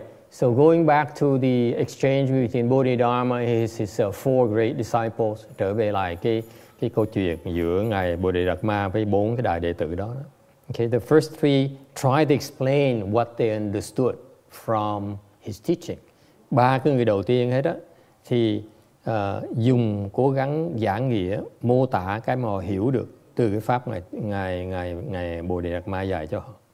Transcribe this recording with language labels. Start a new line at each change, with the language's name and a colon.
English: So going back to the exchange between Bodhidharma and his four great disciples,
Vietnamese: trở về lại cái câu chuyện giữa ngài Bodhidharma với bốn cái đại đệ tử đó.
English: Okay, the first three tried to explain what they understood from his teaching.
Vietnamese: Ba cái người đầu tiên hết á thì dùng cố gắng giảng nghĩa mô tả cái mà họ hiểu được từ cái pháp mà ngài Bodhidharma dạy cho họ.